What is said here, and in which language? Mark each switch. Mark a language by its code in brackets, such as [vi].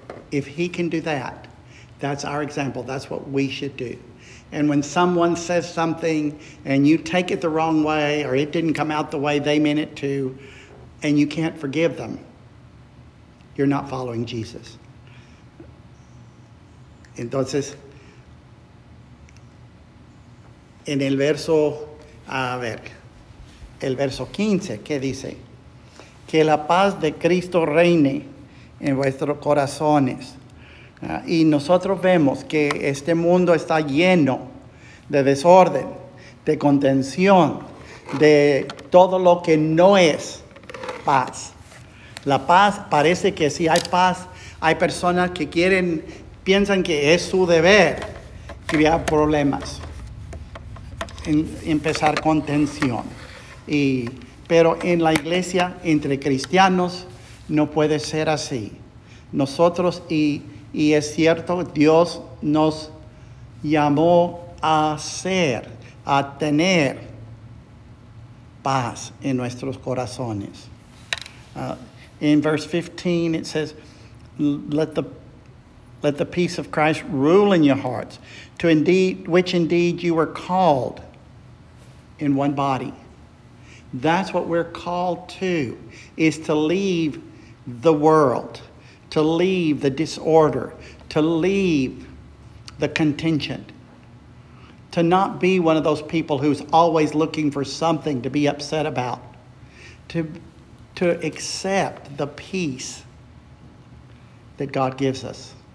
[en] If he can do that, that's our example. That's what we should do. And when someone says something and you take it the wrong way or it didn't come out the way they meant it to, and you can't forgive them, you're not following Jesus. [es] Entonces, en el verso, el verso 15, ¿qué dice? Que la paz de Cristo reine en vuestros corazones. Y nosotros vemos que este mundo está lleno de desorden, de contención, de todo lo que no es paz. La paz, parece que si hay paz, hay personas que quieren piensan que es su deber crear problemas, empezar con tensión. Pero en la iglesia, entre cristianos, no puede ser así. Nosotros, y es cierto, Dios nos llamó a ser, a tener paz en nuestros corazones. [en] In verse 15, it says, let the peace of Christ rule in your hearts, which indeed you were called in one body. That's what we're called to, is to leave the world, to leave the disorder, to leave the contention, to not be one of those people who's always looking for something to be upset about, to accept the peace that God gives us.